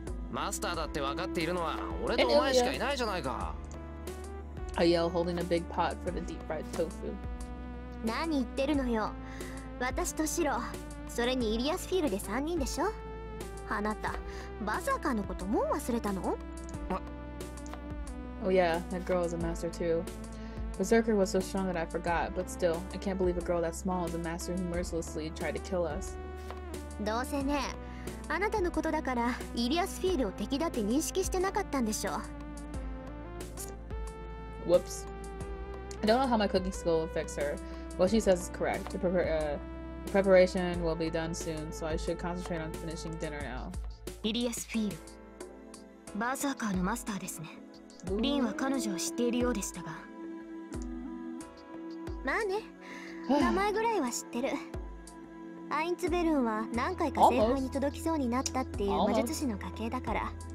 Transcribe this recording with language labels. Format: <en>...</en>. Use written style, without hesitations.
<ja>マスターだって分かっているのは俺とお前しかいないじゃないか!</ja> <en>I yell, holding a big pot for the deep-fried tofu.</en> <ja>何言ってるのよ私とシロ、それにイリアスフィールで3人でしょ? あなた、バザーカーのこともう忘れたの?</ja> <en>Oh yeah, that girl is a master too. Berserker was so strong that I forgot, but still, I can't believe a girl that small is a master who mercilessly tried to kill us.</en> <ja>どうせね、あなたのことだから、イリアスフィールを敵だって認識してなかったんでしょう。</ja> <en>Whoops. I don't know how my cooking skill will fix her. What she says is correct. Preparation will be done soon, so I should concentrate on finishing dinner now.</en> <ja>イリアスフィール。バーサーカーのマスターですね。リンは彼女を知っているようでしたが。まあね、名前ぐらいは知ってる。アインツベルンは何回か聖杯に届きそうになったっていう魔術師の家系だから、</ja>